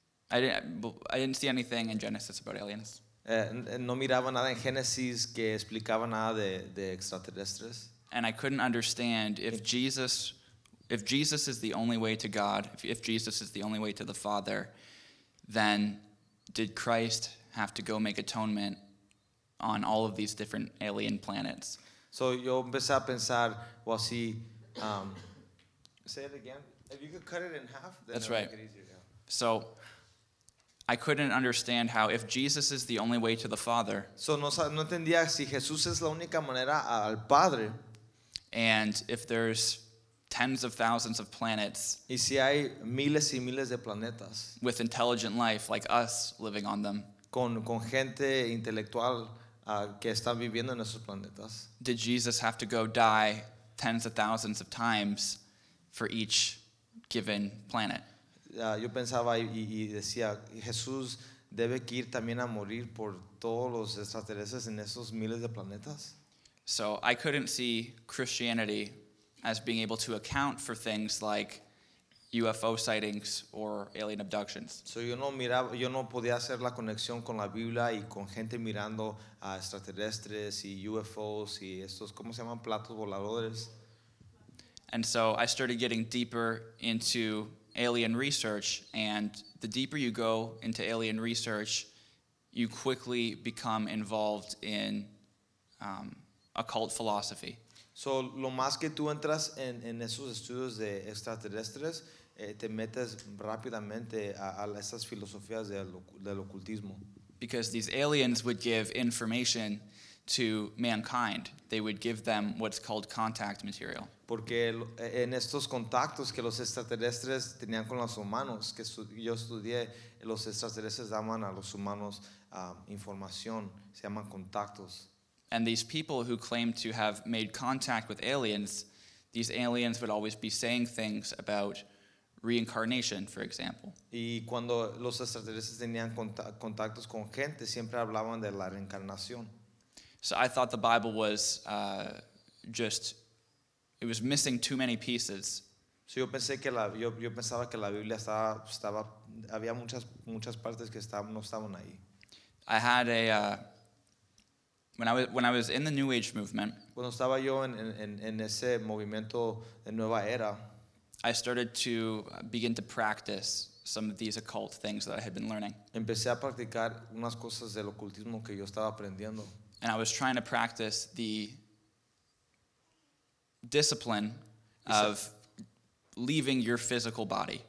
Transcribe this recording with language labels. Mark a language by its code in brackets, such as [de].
[en] I didn't see anything in Genesis about aliens. [es] No miraba nada en Génesis que explicaba nada de extraterrestres. [en] And I couldn't understand if Jesus is the only way to God, if Jesus is the only way to the Father, then did Christ have to go make atonement on all of these different alien planets? [es] So yo empecé a pensar, [en] well, see, say it again. If you could cut it in half, then that's right. Make it easier, yeah. So I couldn't understand how if Jesus is the only way to the Father. [es] So no entendía si Jesús es la única manera al Padre. [en] And if there's tens of thousands of planets. [es] Y si hay miles y miles de planetas. [en] With intelligent life like us living on them. [es] Con gente intelectual que están viviendo en esos planetas. [en] Did Jesus have to go die tens of thousands of times for each given planet? [es] Yo pensaba y decía, Jesús debe que ir también a morir por todos los extraterrestres en esos miles de planetas. [en] So I couldn't see Christianity as being able to account for things like UFO sightings or alien abductions. [es] So yo no podía hacer la conexión con la Biblia y con gente mirando a extraterrestres y UFOs y estos, ¿cómo se llaman? Platos voladores. [en] And so I started getting deeper into alien research, and the deeper you go into alien research, you quickly become involved in occult philosophy. [es] So lo más que tú entras en esos estudios de extraterrestres, te metes rápidamente a esas filosofías del ocultismo. [en] Because these aliens would give information to mankind. They would give them what's called contact material. [es] Porque en estos contactos que los extraterrestres tenían con los humanos, que yo estudié, los extraterrestres daban a los humanos información, se llaman contactos. [en] And these people who claim to have made contact with aliens, these aliens would always be saying things about reincarnation, for example. [es] Y cuando los extraterrestres tenían contactos con gente, siempre hablaban de la reencarnación. [en] So I thought the Bible was it was missing too many pieces. [es] So yo pensé que la, yo pensaba que la Biblia estaba había muchas partes que no estaban ahí. [en] I had a when I was in the New Age movement. [es] Cuando estaba yo en ese movimiento de Nueva Era, [en] I started to begin to practice some of these occult things that I had been learning. [es] Empecé a practicar unas cosas del ocultismo que yo estaba aprendiendo. [en] And I was trying to practice the discipline of leaving your physical body.